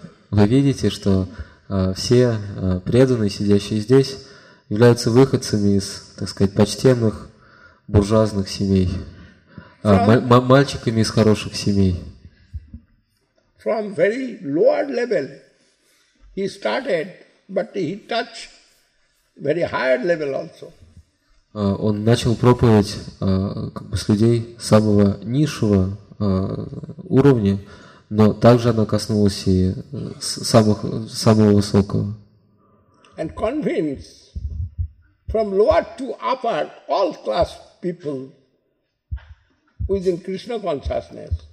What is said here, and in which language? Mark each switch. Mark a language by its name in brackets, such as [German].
[Russian] Вы видите, что все преданные, сидящие здесь, являются выходцами из, так сказать, почтенных буржуазных семей, мальчиками из хороших семей. [English] From very lower level he started, but he touched very higher level also. [Russian] Он начал проповедь как бы с людей самого низшего уровня, но также она коснулась и самого высокого. [English] And convince from lower to upper all class people who is in Krishna consciousness.